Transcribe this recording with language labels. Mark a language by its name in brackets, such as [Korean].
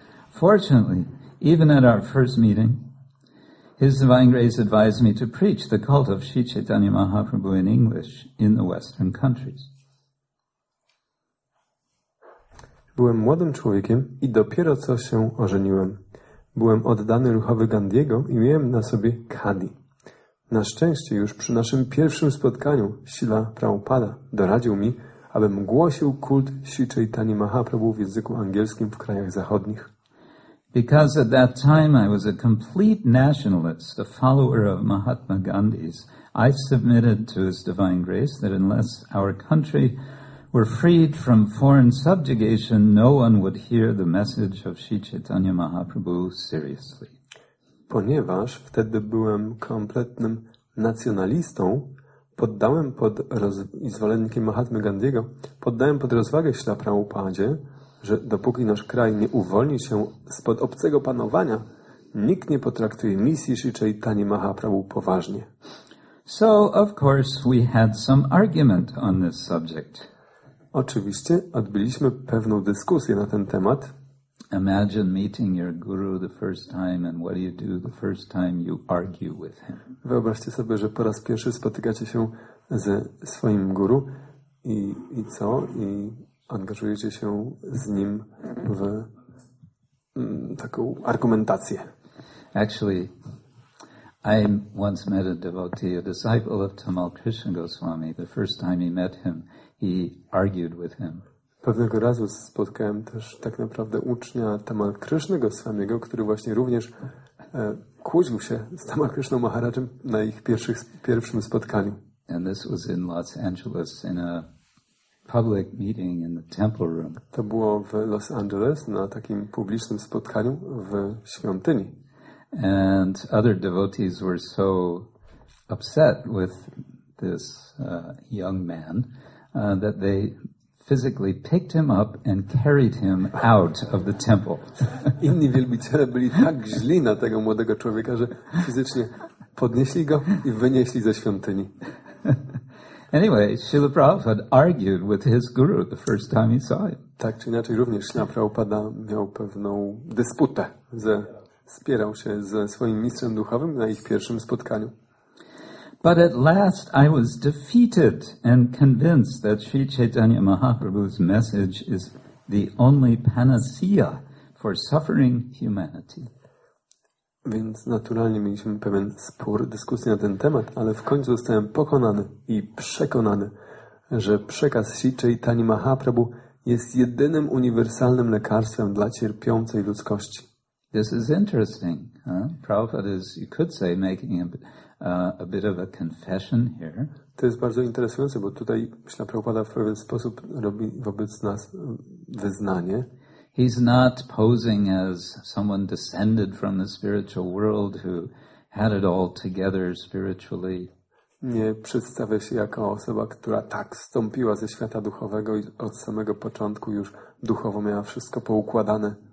[English] Fortunately, even at our first meeting, His Divine Grace advised me to preach the cult of Sri Chaitanya Mahaprabhu in English in the Western countries. [Polish] Byłem młodym człowiekiem i dopiero co się ożeniłem. Byłem oddany ruchowi Gandhiego i miałem na sobie khadi. Na szczęście już przy naszym pierwszym spotkaniu Śrila Prabhupada doradził mi, abym głosił kult Sri Chaitanya Mahaprabhu w języku angielskim w krajach zachodnich. [English] Because at that time I was a complete nationalist, a follower of Mahatma Gandhi's, I submitted to His Divine Grace that unless our country were freed from foreign subjugation, no one would hear the message of Sri Chaitanya Mahaprabhu seriously. [Polish] Ponieważ wtedy byłem kompletnym nacjonalistą, poddałem pod zwolennikiem Mahatmy Gandhiego, poddałem pod rozwagę Śrila Prabhupadzie, że dopóki nasz kraj nie uwolni się spod obcego panowania, nikt nie potraktuje misji Sri Chaitanya Mahaprabhu poważnie. [English] So, of course, we had some argument on this subject. [Polish] Oczywiście odbyliśmy pewną dyskusję na ten temat. [English] Imagine meeting your guru the first time and what do the first time you argue with him. [Polish] Wyobraźcie sobie, że po raz pierwszy spotykacie się ze swoim guru i co? I angażujecie się z nim w taką argumentację. [English] Actually, I once met a devotee, a disciple of Tamal Krishna Goswami. The first time he met him, he argued with him. [Polish] Pewnego razu spotkałem też tak naprawdę ucznia Tamal Krishna Goswamiego, który właśnie również kłócił się z Tamal Krishna Maharajem na ich pierwszym spotkaniu. [English] And this was in Los Angeles in a public meeting in the temple room. [Polish] To było w Los Angeles na takim publicznym spotkaniu w świątyni. [English] And other devotees were so upset with this young man that they physically picked him up and carried him out of the temple. [Polish] Inni wielbiciele byli tak źli na tego młodego człowieka, że fizycznie podnieśli go i wynieśli ze świątyni. [English] Anyway, Śrila Prabhupada argued with his guru the first time he saw him. [Polish] Tak czy inaczej, również Śrila Prabhupada miał pewną dysputę, spierał się ze swoim mistrzem duchowym na ich pierwszym spotkaniu. [English] But at last I was defeated and convinced that Sri Chaitanya Mahaprabhu's message is the only panacea for suffering humanity. [Polish] Więc naturalnie mieliśmy pewien spór, dyskusję na ten temat, ale w końcu zostałem pokonany i przekonany, że przekaz Sri Chaitany Mahaprabhu jest jedynym uniwersalnym lekarstwem dla cierpiącej ludzkości. [English] This is interesting. Prabhupada is, you could say, making a bit of a confession here. [Polish] To jest bardzo interesujące, bo tutaj myślę, Prabhupada w pewien sposób robi wobec nas wyznanie. [English] He's not posing as someone descended from the spiritual world who had it all together spiritually. [Polish] Nie przedstawia się jako osoba, która tak zstąpiła ze świata duchowego i od samego początku już duchowo miała wszystko poukładane.